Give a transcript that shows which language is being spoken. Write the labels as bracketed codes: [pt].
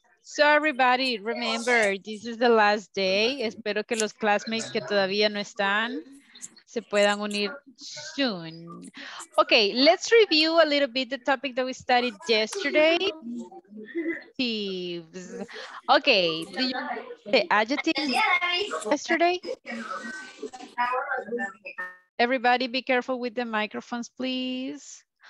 [en] So everybody, remember, this is the last day. [es] Espero que los classmates que todavía no están se puedan unir [en] soon. Okay, let's review a little bit the topic that we studied yesterday. Adjectives. Okay, did you say adjectives yesterday? Everybody be careful with the microphones, please.